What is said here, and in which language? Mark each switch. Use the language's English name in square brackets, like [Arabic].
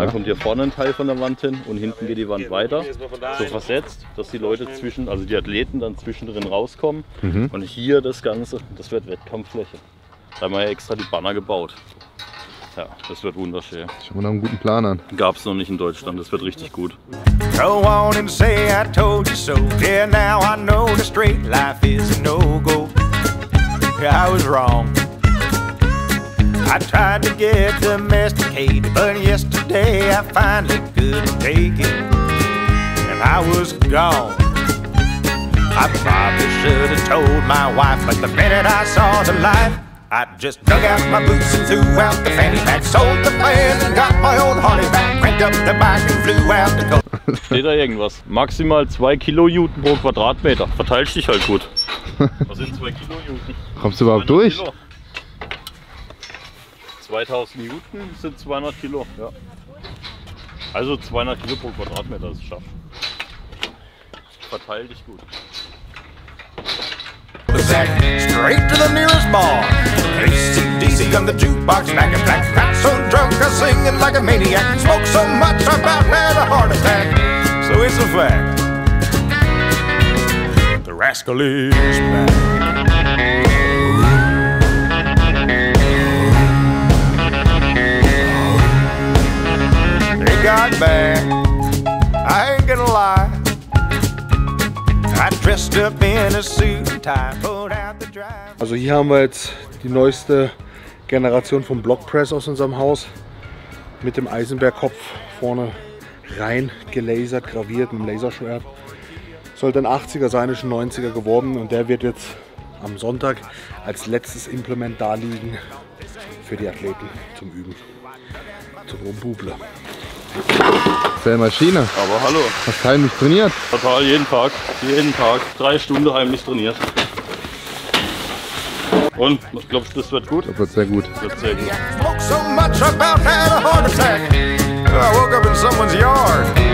[German] Dann kommt hier vorne ein Teil von der Wand hin und hinten geht die Wand weiter, so versetzt, dass die Leute zwischen, also die Athleten dann zwischendrin rauskommen. Mhm. Und hier das Ganze, das wird Wettkampffläche. Da haben wir ja extra die Banner gebaut. Ja, das wird wunderschön. Schauen wir nach einem guten Plan an. Gab's noch nicht in Deutschland, das wird richtig gut. [English] Go on and say I told you so. Yeah, now I know the straight life is a no-go. Yeah, I was wrong. I tried to get domesticated, but yesterday I finally couldn't take it, and I was gone. I probably should have told my wife, but the minute I saw the light, I just dug out my boots and threw out the fanny pack, sold the plan and got my old Harley back, cranked up the bike and flew out the coast. [German] Steht da irgendwas? Maximal 2 Kilojuten pro Quadratmeter. Verteilst dich halt gut. Was sind 2 Kilojuten? Kommst du überhaupt durch? 2000 Newton sind 200 Kilo. Ja. Also 200 Kilo pro Quadratmeter ist es schaffen. Verteil dich gut. [English] Straight to the nearest bar. AC/DC on the jukebox, back and back. Fat so drunk, I'm singing like a maniac. Smoke so much, I'm about to have a heart attack. So it's a fact. The rascal is back. Got back. I ain't gonna lie. I dressed up in a suit and tie, pulled out the drive. [German] Also hier haben wir jetzt die neueste Generation vom Blockpress aus unserem Haus mit dem Eisenbergkopf vorne rein gelasert, graviert mit dem Laserschwert. Sollte ein 80er sein, ist ein 90er geworden und der wird jetzt am Sonntag als letztes Implement da liegen für die Athleten zum Üben, zum Rumbubler. Selbe Maschine. Aber hallo. Hast du heimlich trainiert? Total, jeden Tag. Jeden Tag. 3 Stunden heimlich trainiert. Und, ich glaube, das wird gut. Das wird sehr gut. Das wird sehr gut. [English] Smoke so much about had a heart attack. I woke up in someone's yard.